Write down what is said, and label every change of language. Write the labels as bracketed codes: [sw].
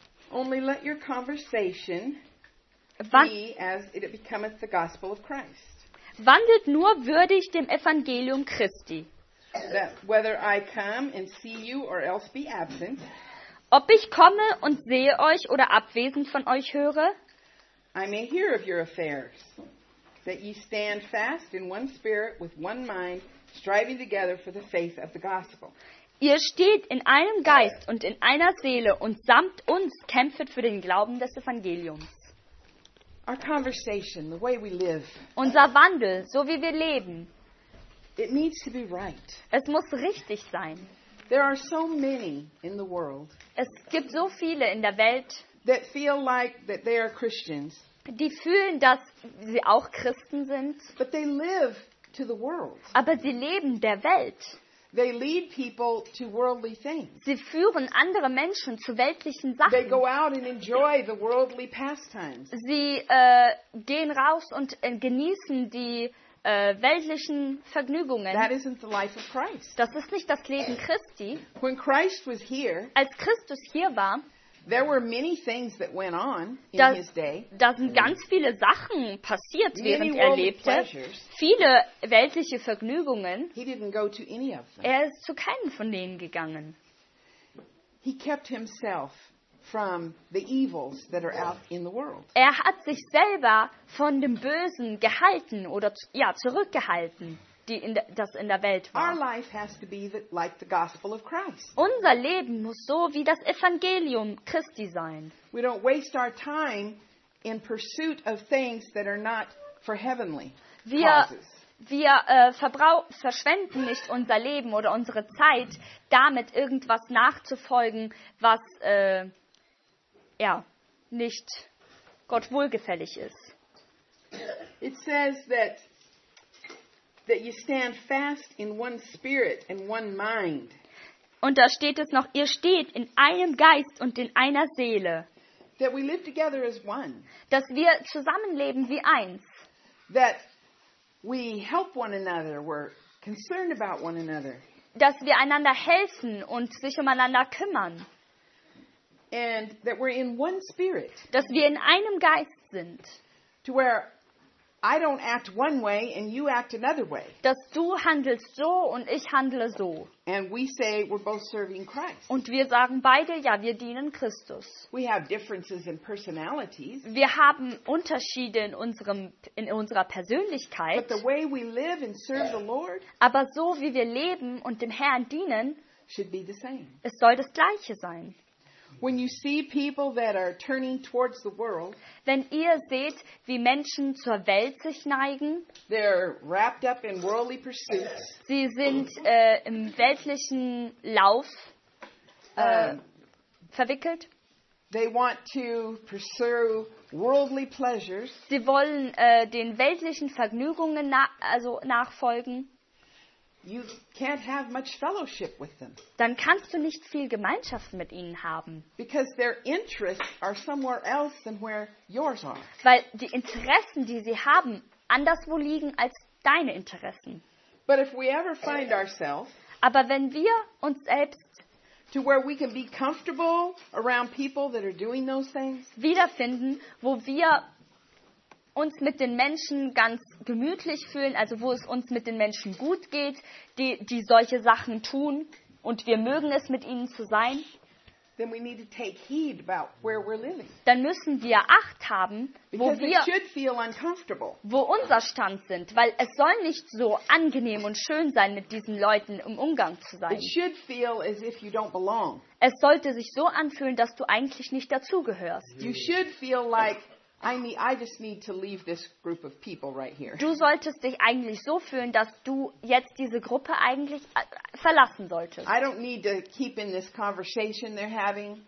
[en] Only let your conversation be as it becometh the gospel of Christ. [de] Wandelt nur würdig dem Evangelium Christi. [en] That whether I come and see you or else be absent. [de] Ob ich komme und sehe euch oder abwesend von euch höre. [en] I may hear of your affairs, that ye stand fast in one spirit, with one mind, striving together for the faith of the gospel. [de] Ihr steht in einem Geist und in einer Seele und samt uns kämpft für den Glauben des Evangeliums. [en] Our conversation, the way we live. [de] Unser Wandel, so wie wir leben. [en] It needs to be right. [de] Es muss richtig sein. [en] There are so many in the world. [de] Es gibt so viele in der Welt. [en] That feel like that they are Christians. [de] Die fühlen, dass sie auch Christen sind. [en] But they live to the world. [de] Aber sie leben der Welt. [en] They lead people to worldly things. [de] Sie führen andere Menschen zu weltlichen Sachen. [en] They go out and enjoy the worldly pastimes. [de] Sie gehen raus und genießen die weltlichen Vergnügungen. [en] That isn't the life of Christ. [de] Das ist nicht das Leben Christi. [en] When Christ was here, [de] als Christus hier war, [en] there were many things that went on in his day. [de] Da sind ganz viele Sachen passiert, während er lebte. Viele weltliche Vergnügungen. [en] He didn't go to any of them. [de] Er ist zu keinen von denen gegangen. [en] He kept himself from the evils that are out in the world. [de] Er hat sich selber von dem Bösen gehalten oder ja, zurückgehalten. Das in der Welt war. [en] Our life has to be like the gospel of Christ. [de] Unser Leben muss so wie das Evangelium Christi sein. [en] We don't waste our time in pursuit of things that are not for heavenly causes. [de] Wir verschwenden nicht unser Leben oder unsere Zeit damit, irgendwas nachzufolgen, was er nicht Gott wohlgefällig ist. [en] It says that you stand fast in one spirit and one mind. [de] Und da steht es noch, ihr steht in einem Geist und in einer Seele. [en] That we live together as one. [de] Dass wir zusammenleben wie eins. [en] That we help one another, we're concerned about one another. [de] Dass wir einander helfen und sich umeinander kümmern. [en] And that we're in one spirit. [de] Dass wir in einem Geist sind. [en] To where I don't act one way and you act another way. [de] Dass du handelst so und ich handle so. [en] And we say we're both serving Christ. [de] Und wir sagen beide, ja, wir dienen Christus. [en] We have differences in personalities. [de] Wir haben Unterschiede in unserer Persönlichkeit. [en] But the way we live and serve the Lord, [de] aber so wie wir leben und dem Herrn dienen, [en] should be the same. [de] Es soll das Gleiche sein. [en] When you see people that are turning towards the world, [de] wenn ihr seht, wie Menschen zur Welt sich neigen, [en] they're wrapped up in worldly pursuits. [de] Sie sind im weltlichen Lauf verwickelt. [en] They want to pursue worldly pleasures. [de] Sie wollen den weltlichen Vergnügungen nachfolgen. [en] You can't have much fellowship with them. [de] Dann kannst du nicht viel Gemeinschaft mit ihnen haben. [en] Because their interests are somewhere else than where yours are. [de] Weil die Interessen, die sie haben, anderswo liegen als deine Interessen. [en] But if we ever find ourselves, [de] aber wenn wir uns selbst [en] to where we can be comfortable around people that are doing those things, [de] wiederfinden, wo wir uns mit den Menschen ganz gemütlich fühlen, also wo es uns mit den Menschen gut geht, die solche Sachen tun und wir mögen es, mit ihnen zu sein, [en] then we need to take heed about where we're living. [de] Dann müssen wir Acht haben, wo unser Stand sind, weil es soll nicht so angenehm und schön sein, mit diesen Leuten im Umgang zu sein. [en] It should feel as if you don't belong. [de] Es sollte sich so anfühlen, dass du eigentlich nicht dazugehörst. [en] You should feel like I just need to leave this group of people right here. [de] Du solltest dich eigentlich so fühlen, dass du jetzt diese Gruppe eigentlich verlassen solltest. [en] I don't need to keep in this conversation they're having.